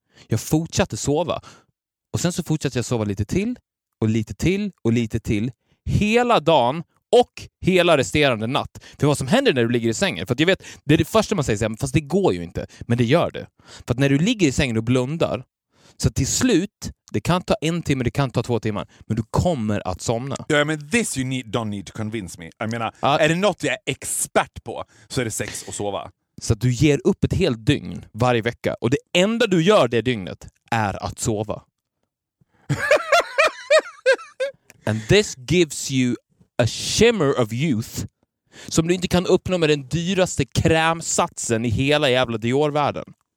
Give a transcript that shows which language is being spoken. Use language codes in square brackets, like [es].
[sv] Jag fortsatte sova. Och sen så fortsatte jag sova lite till och lite till och lite till hela dagen och hela resterande natt. För vad som händer när du ligger i sängen, för att jag vet, det är det första man säger, fast det går ju inte, men det gör det. För att när du ligger i sängen och blundar, så till slut, det kan ta en timme, det kan ta 2 timmar, men du kommer att somna. [en] Ja, yeah, men this you need, don't need to convince me. [sv] Jag menar, är det något jag är expert på, så är det sex och sova. Så att du ger upp ett helt dygn varje vecka, och det enda du gör det dygnet är att sova. [en] And this gives you a shimmer of youth [sv] som du inte kan uppnå med den dyraste krämsatsen i hela jävla Dior-världen.